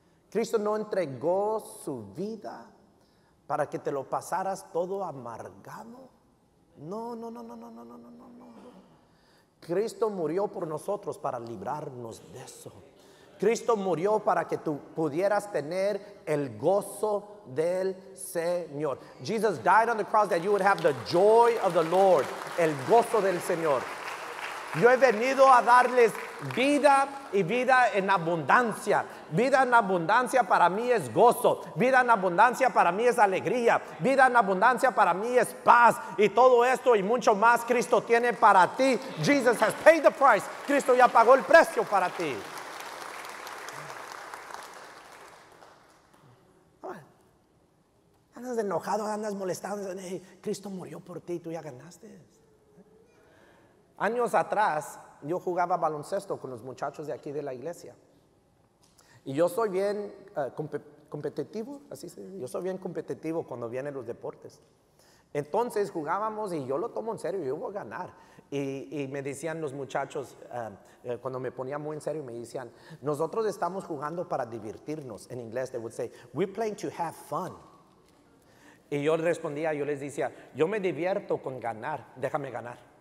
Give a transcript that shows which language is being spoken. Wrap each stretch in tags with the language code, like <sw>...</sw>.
<es>Cristo no entregó su vida para que te lo pasaras todo amargado. No, no, no, no, no, no, no, no, no. Cristo murió por nosotros para librarnos de eso. Cristo murió para que tú pudieras tener el gozo del Señor.</es> <en>Jesus died on the cross that you would have the joy of the Lord.</en> <es>El gozo del Señor. Yo he venido a darles vida y vida en abundancia. Vida en abundancia para mí es gozo. Vida en abundancia para mí es alegría. Vida en abundancia para mí es paz. Y todo esto y mucho más Cristo tiene para ti.</es> <en>Jesus has paid the price.</en> <es>Cristo ya pagó el precio para ti. Andas enojado, andas molestando. Hey, Cristo murió por ti, tú ya ganaste. Años atrás, yo jugaba baloncesto con los muchachos de aquí de la iglesia. Y yo soy bien competitivo, así se dice. Yo soy bien competitivo cuando vienen los deportes. Entonces jugábamos y yo lo tomo en serio, yo voy a ganar. Y me decían los muchachos, cuando me ponía muy en serio, me decían, nosotros estamos jugando para divertirnos. En inglés,</es> <en>they would say, we're playing to have fun.</en> <es>Y yo respondía, yo les decía, yo me divierto con ganar, déjame ganar.</es>